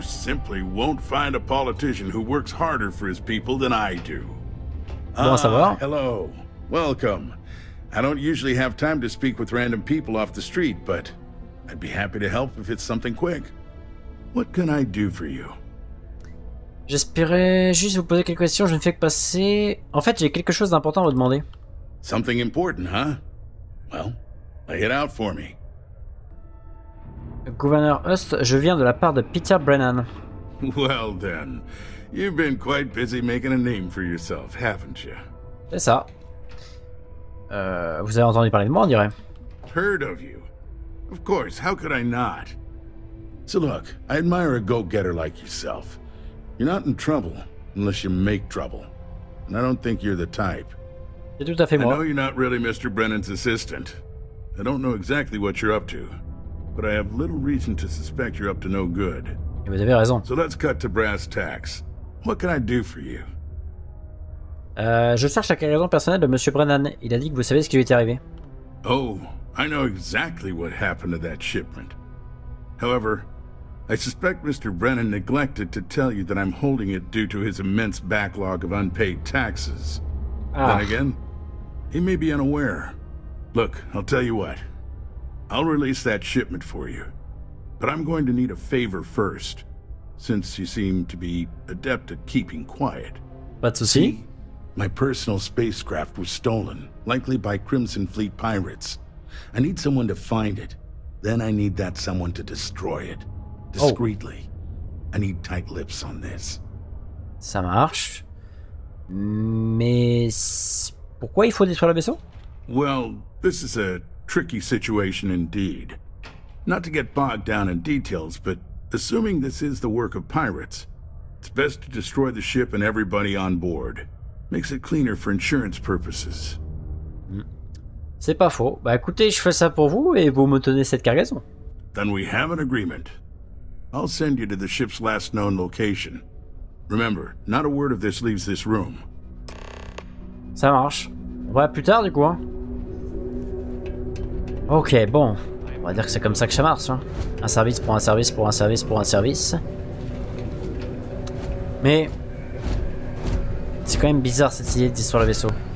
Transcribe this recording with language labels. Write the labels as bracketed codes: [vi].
[en] You simply won't find a politician who works harder for his people than I do. [fr] Comment ça va? [en] Hello, welcome. I don't usually have time to speak with random people off the street, but I'd be happy to help if it's something quick. What can I do for you? [fr] J'espérais juste vous poser quelques questions, je ne fais que passer... En fait, j'ai quelque chose d'important à vous demander. [en] Something important, huh? Well, lay it out for me. [fr] Gouverneur Hurst, je viens de la part de Peter Brennan. [en] Well then, you've been quite busy making a name for yourself, haven't you? [fr] C'est ça. Vous avez entendu parler de moi, on dirait. [en] Heard of you. Of course, how could I not? So look, I admire a go-getter like yourself. You're not in trouble, unless you make trouble. And I don't think you're the type. [fr] C'est tout à fait moi. [en] I know you're not really Mr. Brennan's assistant. I don't know exactly what you're up to. but I have little reason to suspect you're up to no good. [fr] Et vous avez raison. [en] So let's cut to brass tacks. What can I do for you? [fr] Je cherche la guérison personnelle de Monsieur Brennan. Il a dit que vous savez ce qui lui est arrivé. [en] Oh, I know exactly what happened to that shipment. However, I suspect Mr. Brennan neglected to tell you that I'm holding it due to his immense backlog of unpaid taxes. Ah. Then again, he may be unaware. Look, I'll tell you what. I'll release that shipment for you. But I'm going to need a favor first, since you seem to be adept at keeping quiet. [fr] Pas de soucis. [en] My personal spacecraft was stolen, likely by Crimson Fleet pirates. I need someone to find it. Then I need that someone to destroy it. Discreetly. Oh. I need tight lips on this. [fr] Ça marche. Mais pourquoi il faut détruire le vaisseau? [en] Well, this is a tricky situation indeed. Not to get bogged down in details, but assuming this is the work of pirates, it's best to destroy the ship and everybody on board. Makes it cleaner for insurance purposes. [fr] C'est pas faux. Bah écoutez, je fais ça pour vous et vous me tenez cette cargaison. [en] Then we have an agreement. I'll send you to the ship's last known location. Remember, not a word of this leaves this room. [fr] Ça marche. On va plus tard du coup. Hein. Ok, bon. On va dire que c'est comme ça que ça marche. Hein. Un service pour un service pour un service pour un service. Mais... c'est quand même bizarre cette idée d'histoire le vaisseau.